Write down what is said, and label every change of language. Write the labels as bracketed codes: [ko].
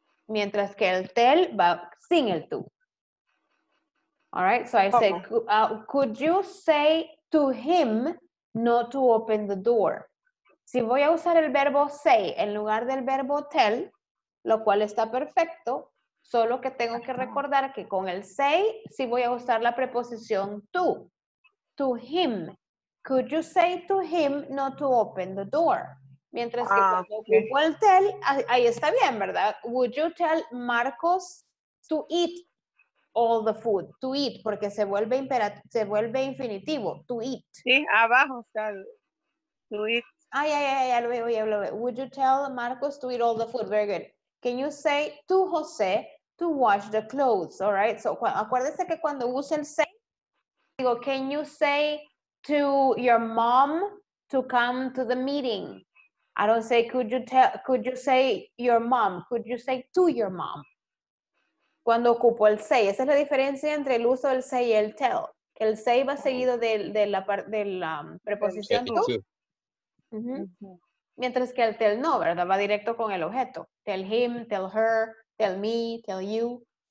[es] Mientras que el tel va sin el tú. [en] All right, so I say, could you say to him not to open the door? [es] Si voy a usar el verbo say en lugar del verbo tell, lo cual está perfecto, solo que tengo que recordar que con el say, sí voy a usar la preposición to him. [en] Could you say to him not to open the door? [es] Mientras que cuando ocupo el tell, ahí está bien, ¿verdad? [en] Would you tell Marcos to eat all the food? [es] To eat, porque se vuelve infinitivo. To eat. Sí, abajo está. To eat. Ya lo veo. [en] Would you tell Marcos to eat all the food? Very good. Can you say to Jose to wash the clothes? All right. So, acuérdese que cuando use el say, digo, can you say to your mom to come to the meeting? I don't say, could you say your mom? Could you say to your mom? Cuando ocupo el say. [es] Esa es la diferencia entre el uso del say y el tell. El say va seguido de la preposición to. Mm-hmm. Mientras que el tell no, ¿verdad? Va directo con el objeto. [en] Tell him, tell her, tell me, tell you.